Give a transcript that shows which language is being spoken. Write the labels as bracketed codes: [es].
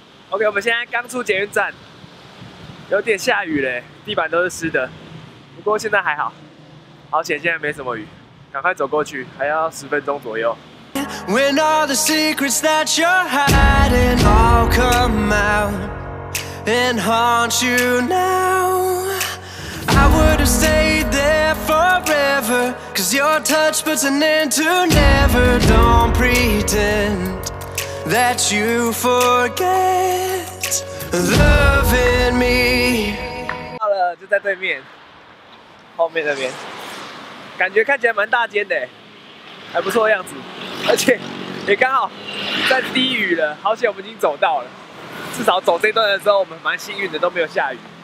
[zh] OK， 我们现在刚出捷运站，有点下雨嘞，地板都是湿的。不过现在还好，好险现在没什么雨，赶快走过去，还要10分钟左右。 [en] When all the secrets that you're hiding all come out and haunt you now, I would have stayed there forever, cause your touch puts an end to never. Don't pretendThat you forget loving me. [zh] 到了，就在对面，后面那边，感觉看起来蛮大间的，还不错的样子，而且也刚好在滴雨了，好险我们已经走到了，至少走这段的时候我们蛮幸运的，都没有下雨。